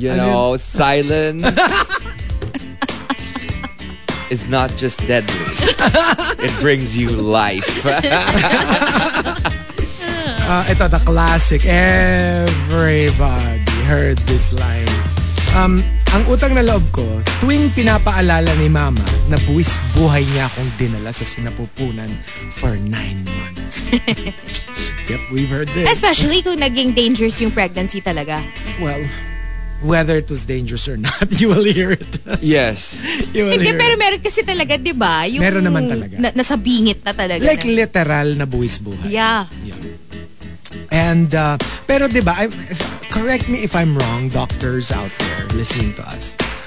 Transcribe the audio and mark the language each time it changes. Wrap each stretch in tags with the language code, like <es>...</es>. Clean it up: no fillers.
<en>you know, silence is not just deadly. It brings you life.</en> <tl>Ito, the classic.</tl> <en>Everybody heard this line.</en> <tl>Ang utang na loob ko, tuwing pinapaalala ni Mama na buwis buhay niya akong dinala sa sinapupunan for 9 months.</tl> <en>Yep, we've heard this.</en> <tl>Especially kung naging dangerous yung pregnancy talaga.</tl> <en>Well, whether it was dangerous or not, you will hear it. Yes. You will</en> <tl>hindi,</tl> <en>hear</en> <tl>pero Meron kasi talaga, di ba? Yung meron naman talaga. Nasa bingit na talaga. Like na. Literal na buwis buhay.</tl> <en>Yeah. And, pero diba, correct me if I'm wrong, doctors out there listening to us.</en>